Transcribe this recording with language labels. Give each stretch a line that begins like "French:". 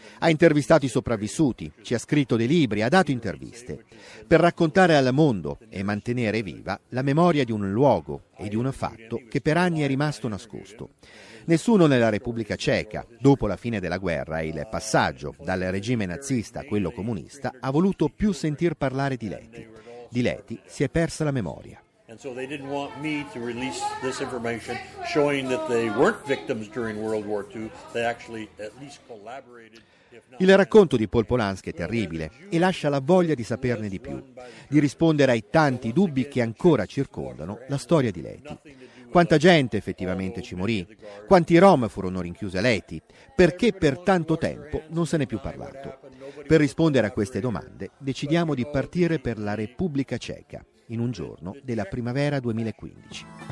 Italian: Ha intervistato i sopravvissuti, ci ha scritto dei libri, ha dato interviste per raccontare al mondo e mantenere viva la memoria di un luogo e di un fatto che per anni è rimasto nascosto. Nessuno nella Repubblica Ceca, dopo la fine della guerra e il passaggio dal regime nazista a quello comunista, ha voluto più sentir parlare di Leti. Di Leti si è persa la memoria.
English: And so they didn't want me to release this information showing that they weren't victims during World War II, they actually at least collaborated.
Italian: Il racconto di Paul Polanski è terribile e lascia la voglia di saperne di più, di rispondere ai tanti dubbi che ancora circondano la storia di Leti. Quanta gente effettivamente ci morì? Quanti Rom furono rinchiusi a Leti? Perché per tanto tempo non se n'è più parlato? Per rispondere a queste domande decidiamo di partire per la Repubblica Ceca in un giorno della primavera 2015.